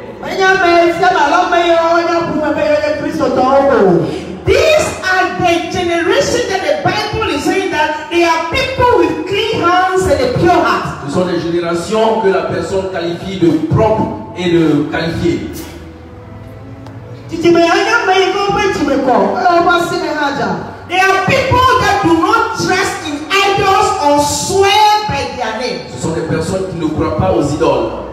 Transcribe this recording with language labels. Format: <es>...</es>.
<en>These are the generation that the Bible is saying that they are people with clean hands and a pure heart.</en> <fr>Ce sont des générations que la personne qualifie de propre et de qualifié.</fr> <en>They are people that do not trust in idols or swear by their name.</en> <fr>Ce sont des personnes qui ne croient pas aux idoles.</fr>